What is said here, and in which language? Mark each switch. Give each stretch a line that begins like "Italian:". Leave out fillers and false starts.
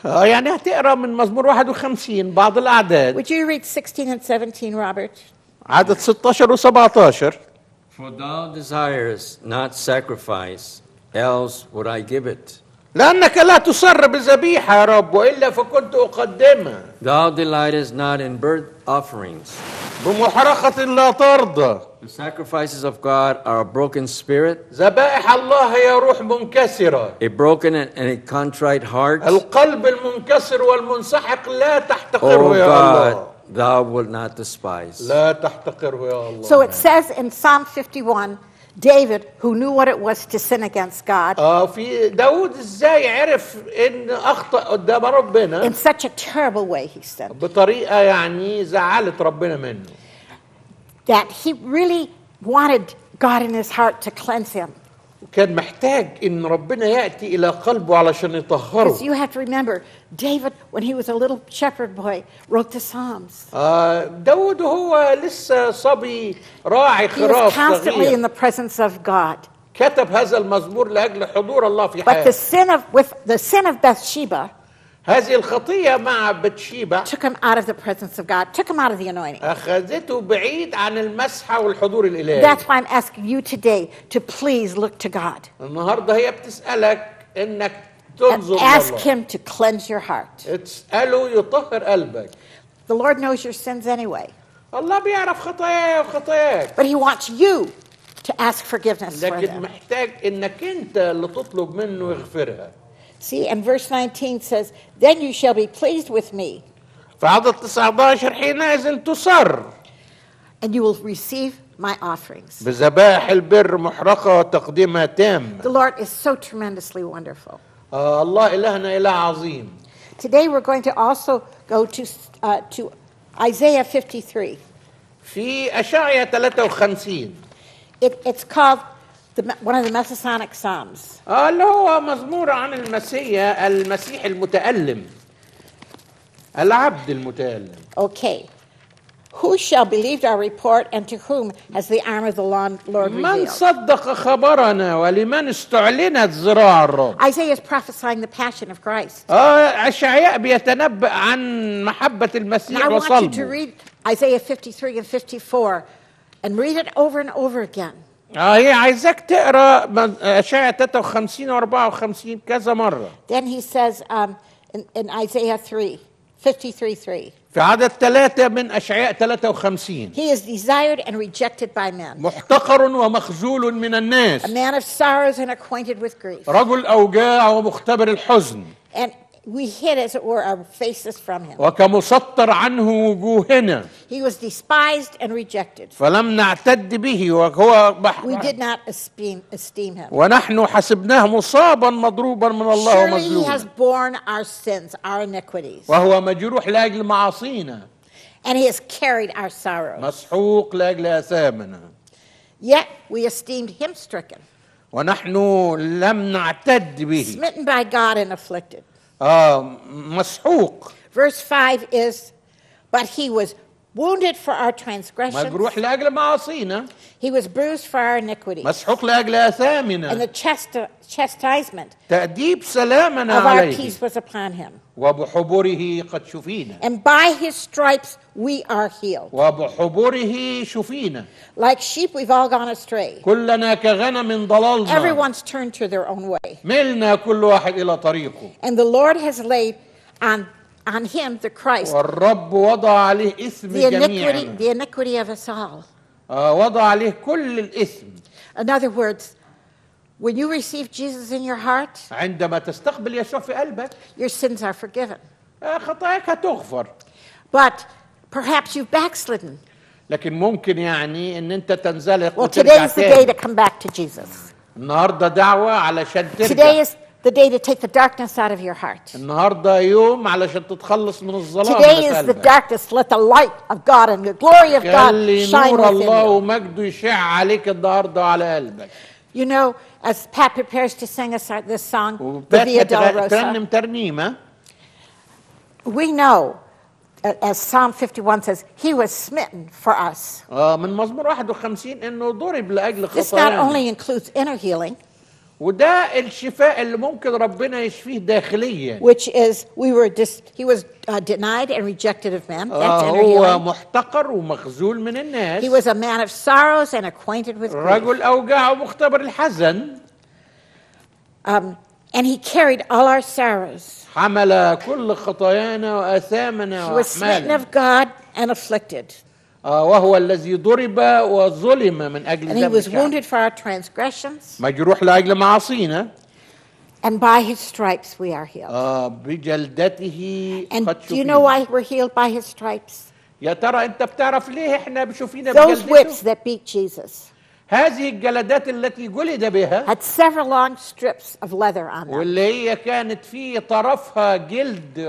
Arabic: يعني هتقرأ من مزمور 51 بعض الأعداد.
English: Would you read 16 and 17, Robert?
Arabic: عدد 16 و 17.
English: For thou desirest not sacrifice, else would I give it.
Arabic: لأنك لا تسر بذبيحة يا رب وإلا فكنت أقدمها.
English: Thou delightest not in burnt offerings.
Arabic: بمحرقة لا ترضى.
English: The sacrifices of God are a broken spirit.
Arabic: ذبائح الله هي روح منكسرة.
English: A broken and a contrite heart.
Arabic: القلب المنكسر والمنسحق لا تحتقره يا
English: God.
Arabic: الله.
English: Thou will not despise.
Arabic: لا تحتقره يا الله.
English: So it says in Psalm 51, David, who knew what it was to sin against God.
Arabic: في داود ازاي عرف ان اخطأ قدام ربنا.
English: In such a terrible way he sinned.
Arabic: بطريقة يعني زعلت ربنا منه.
English: That he really wanted God in his heart to cleanse him.
Arabic: كان محتاج ان ربنا يأتي الى قلبه علشان يطهره.
English: Because you have to remember, David, when he was a little shepherd boy, wrote the Psalms.
Arabic: داود هو لسه صبي راعي خراف صغير.
English: He was constantly in the presence of God.
Arabic: كتب هذا المزمور لاجل حضور الله في حياته.
English: But the sin of Bathsheba.
Arabic: هذه الخطية مع بتشيبة.
English: Took him out of the presence of God. Took him out of the anointing.
Arabic: أخذته بعيد عن المسحة والحضور الإلهي.
English: That's why I'm asking you today to please look to God.
Arabic: النهاردة هي بتسألك إنك تنظر لله.
English: Ask him to cleanse your heart.
Arabic: اتسأله يطهر قلبك.
English: The Lord knows your sins anyway.
Arabic: الله بيعرف خطاياي وخطاياك.
English: But he wants you to ask forgiveness for them.
Arabic: لكن محتاج إنك أنت اللي تطلب منه يغفرها.
English: See, and verse 19 says, then you shall be pleased with me.
Arabic: فعدد 19 حينئذ تسر.
English: And you will receive my offerings.
Arabic: بذبائح البر محرقة وتقديمها تام.
English: The Lord is so tremendously wonderful.
Arabic: الله إلهنا إله عظيم.
English: Today we're going to also go to Isaiah 53.
Arabic: في أشعياء 53.
English: It's called one of the Messianic Psalms.
Arabic: اللي هو مزمور عن المسيح المسيح المتألم العبد المتألم.
English: Okay. Who shall believe our report and to whom has the arm of the Lord revealed?
Arabic: من صدق خبرنا ولمن استعلنت ذراع الرب؟
English: Isaiah is prophesying the passion of Christ.
Arabic: أشعياء بيتنبأ عن محبة المسيح
English: and
Arabic: وصلبه.
English: I want you to read Isaiah 53 and 54 and read it over and over again.
Arabic: هي عايزك تقرا اشعياء 53 و54 كذا مره.
English: Then he says in Isaiah 53:3.
Arabic: في عدد 3 من اشعياء 53.
English: He is desired and rejected by men.
Arabic: محتقر ومخزول من الناس.
English: A man of sorrows and acquainted with grief.
Arabic: رجل اوجاع ومختبر الحزن.
English: And we hid, as it were, our faces from him.
Arabic: وكمسطر عنه وجوهنا.
English: He was despised and rejected.
Arabic: فلم نعتد به وهو محرم.
English: We did not esteem him.
Arabic: ونحن حسبناه مصابا مضروبا من الله ومظلوما.
English: Surely he has borne our sins, our iniquities.
Arabic: وهو مجروح لأجل معاصينا.
English: and he has carried our sorrows.
Arabic: مسحوق لأجل آثامنا.
English: Yet we esteemed him stricken.
Arabic: ونحن لم نعتد به.
English: Smitten by God and afflicted.
Arabic: مسحوق.
English: Verse 5 is, but he was wounded for our transgressions.
Arabic: مجروح لأجل معاصينا.
English: He was bruised for our iniquities.
Arabic: مسحوق لأجل آثامنا.
English: And the chastisement
Arabic: تأديب سلامنا
English: of
Arabic: عليه.
English: Our peace was upon him.
Arabic: وبحبره قد شفينا.
English: And by his stripes we are healed.
Arabic: وبحبره شفينا.
English: Like sheep we've all gone astray.
Arabic: كلنا كغنم ضللنا.
English: Everyone's turned to their own way.
Arabic: ملنا كل واحد إلى طريقه.
English: And the Lord has laid on him, the Christ,
Arabic: والرب وضع عليه إثم جميعنا.
English: The iniquity of us all.
Arabic: وضع عليه كل الإثم.
English: In other words, when you receive Jesus in your heart,
Arabic: عندما تستقبل يسوع في قلبك,
English: your sins are forgiven.
Arabic: خطاياك تغفر.
English: But perhaps you've backslidden.
Arabic: لكن ممكن يعني إن أنت تنزلق.
English: Well, today is the day to come back to Jesus.
Arabic: النهاردة دعوة علشان ترجع.
English: Today is the day to take the darkness out of your heart.
Arabic: النهاردة يوم علشان تتخلص من الظلام.
English: Today is the darkness. Let the light of God and the glory of God shine within you.
Arabic: نور الله ومجده يشع عليك النهاردة على قلبك.
English: You know, as Pat prepares to sing us this song, the Via Dolorosa, we know, as Psalm 51 says, he was smitten for us.
Arabic: من مزمور 51 انه ضرب لاجل خطايانا.
English: This not only includes inner healing,
Arabic: وده الشفاء اللي ممكن ربنا يشفيه داخليا.
English: Which is, he was denied and rejected of men. That's inner
Arabic: هو
English: healing.
Arabic: هو محتقر ومخزول من الناس.
English: He was a man of sorrows and acquainted with grief.
Arabic: رجل أوجاع ومختبر الحزن.
English: And he carried all our sorrows.
Arabic: حمل كل خطايانا وآثامنا وأحمالنا.
English: He was smitten of God and afflicted.
Arabic: وهو الذي ضرب وظلم من أجل ذنبنا.
English: And he was wounded for our transgressions.
Arabic: مجروح لأجل معاصينا.
English: And by his stripes we are healed.
Arabic: بجلدته
English: And do you know why we're healed by his stripes?
Arabic: يا ترى أنت بتعرف ليه إحنا بشوفينا بجلدته؟
English: Those whips that beat Jesus.
Arabic: هذه الجلدات التي جلد بها.
English: Had several long strips of leather on them.
Arabic: واللي هي كانت في طرفها جلد.